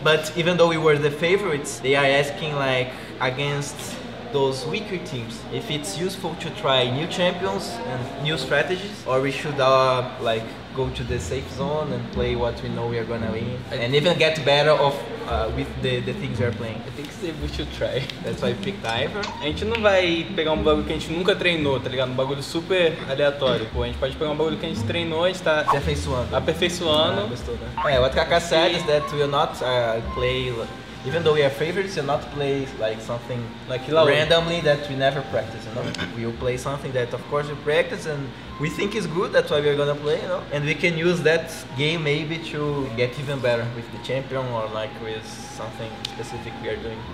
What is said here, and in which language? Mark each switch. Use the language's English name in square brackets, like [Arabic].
[English] But even though we were the favorites, they are asking like against those weaker teams, if it's useful to try new champions and new strategies, or we should like go to the safe zone and play what we know we are gonna win, and even get better off with the things we are playing. I think we should try. That's why I picked Ivor. [Portuguese] A gente não vai pegar um bagulho que a gente nunca treinou, tá ligado? Um bagulho super aleatório. Pô, a gente pode pegar um bagulho que a gente treinou, a gente tá aperfeiçoando. Ah, gostou, né? [English] É, what Kaká said is that we'll not play. Even though we are favorites, you'll not play like something like randomly that we never practice, you know? We'll play something that of course we practice and we think is good, that's why we're gonna play, you know? And we can use that game maybe to get even better with the champion or like with something specific we are doing.